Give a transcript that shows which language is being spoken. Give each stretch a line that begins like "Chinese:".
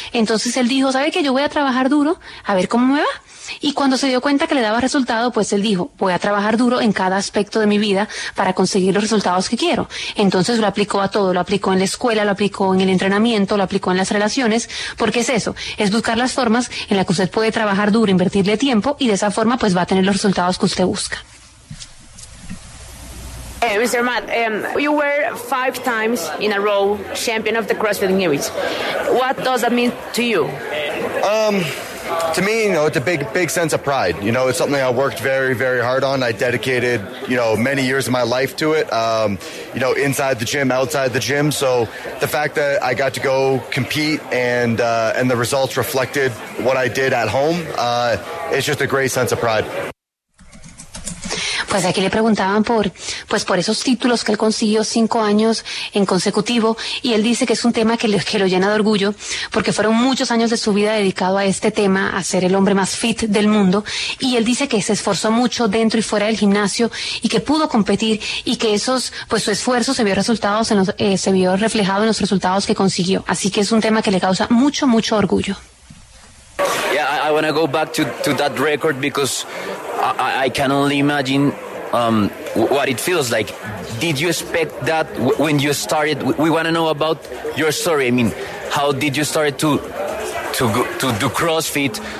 Spanish: Entonces él dijo, ¿sabe qué? Yo voy a trabajar duro a ver cómo me va. Y cuando se dio cuenta que le daba resultado, pues él dijo, voy a trabajar duro en cada aspecto de mi vida para conseguir los resultados que quiero. Entonces lo aplicó a todo, lo aplicó en la escuela, lo aplicó en el entrenamiento, lo aplicó en las relaciones, porque es eso, es buscar las formas en las que usted puede trabajar duro, invertirle tiempo, y de esa forma, pues, va a tener los resultados que usted busca.
English: Mr. Matt, you were 5 times in a row champion of the CrossFit Games. What does that mean to you? To me, you know, it's a big, big sense of pride. You know, it's something I worked very, very hard on. I dedicated, you know, many years of my life to it, you know, inside the gym, outside the gym. So the fact that I got to go compete and the results reflected what I did at home, it's just a great sense of pride.
Spanish: Pues aquí le preguntaban por esos títulos que él consiguió 5 años en consecutivo, y él dice que es un tema que lo llena de orgullo porque fueron muchos años de su vida dedicado a este tema, a ser el hombre más fit del mundo, y él dice que se esforzó mucho dentro y fuera del gimnasio y que pudo competir y que esos, pues, su esfuerzo se vio reflejado en los resultados que consiguió. Así que es un tema que le causa mucho, mucho orgullo.
English: Yeah, I want to go back to that record because I can only imagine what it feels like. Did you expect that when you started? We want to know about your story. I mean, how did you start to do CrossFit?